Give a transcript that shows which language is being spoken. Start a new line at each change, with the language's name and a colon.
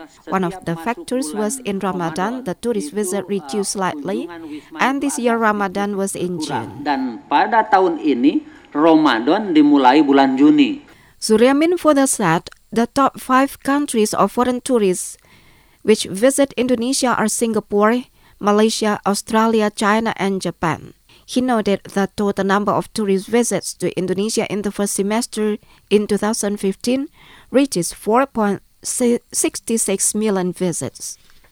English: One of the factors was in Ramadan, the tourist visit reduced slightly, and this year Ramadan was in June.
Indonesian: Dan pada tahun ini Ramadan dimulai bulan Juni.
English: Suryamin further said, the top five countries of foreign tourists which visit Indonesia are Singapore, Malaysia, Australia, China, and Japan. He noted the total number of tourist visits to Indonesia in the first semester in 2015 reaches 4.66 million visits.